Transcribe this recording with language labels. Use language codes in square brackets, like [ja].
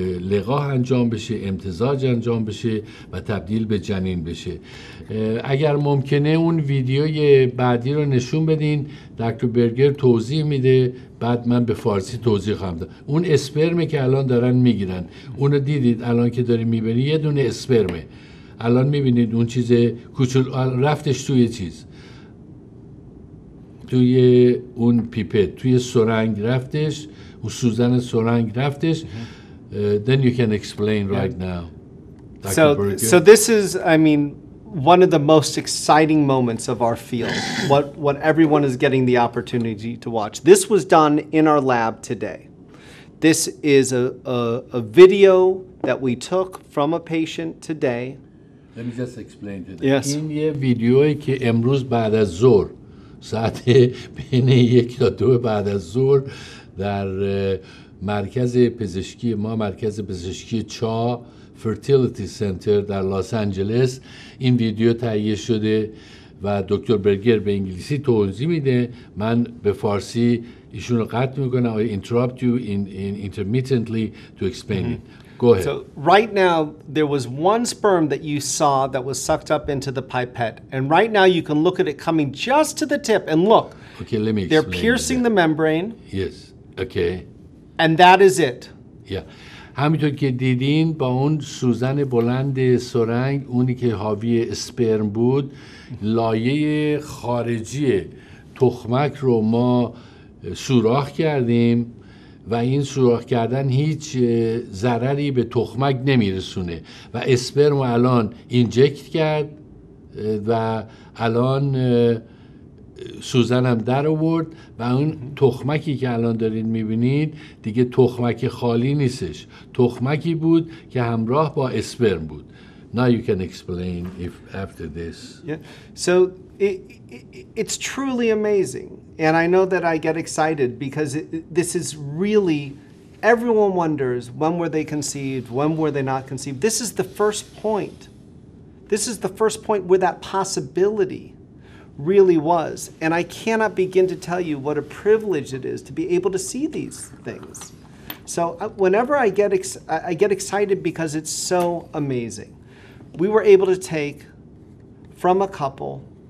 [fa] لقاح انجام بشه امتزاج انجام بشه و تبدیل به جنین بشه اگر ممکنه اون ویدیوی بعدی رو نشون بدین دکتر برگر توضیح میده بعد من به فارسی توضیح خواهم داد اون اسپرمه که الان دارن میگیرن اونو دیدید الان که داری میبینی یه دونه اسپرمه الان میبینید اون چیز کوچول رفتش توی چیز توی اون پیپت توی سرنگ رفتش اون سوزن سرنگ رفتش [en] then you can explain yeah. right now. So this is, I mean, one of the most exciting moments of our field, what everyone is getting the opportunity to watch. This was done in our lab today. This is a video that we took from a patient today. Let me just explain to them. Yes. [fa] این یه ویدیوی که امروز بعد از ظهر, ساعت بین یک تا دو بعد از ظهر, در مرکز پزشکی ما مرکز پزشکی چا فرتیلیتی سنتر در لس آنجلس این ویدیو تهیه شده و دکتر برگر به انگلیسی توضیح میده من به فارسی ایشون رو قطع میکنم [en] I interrupt you intermittently to explain it go ahead so right now there was one sperm that you saw that was sucked up into the pipette and right now you can look at it coming just to the tip and look okay let me explain they're piercing the membrane yes okay And that is it. Yeah. [fa] همینطور که دیدین با اون سوزن بلند سرنگ اونی که حاوی اسپرم بود لایه خارجی تخمک رو ما سوراخ کردیم و این سوراخ کردن هیچ ضرری به تخمک نمیرسونه و اسپرم رو الان اینجکت کرد و الان سوزنم در آورد و اون تخمکی که الان دارین میبینید دیگه تخمک خالی نیستش تخمکی بود که همراه با اسپرم بود [en] Now you can explain if after this Yeah so it's truly amazing and I know that I get excited because this is really everyone wonders when were they conceived when were they not conceived this is the first point where that possibility really was and I cannot begin to tell you what a privilege it is to be able to see these things so whenever I get excited because it's so amazing we were able to take from a couple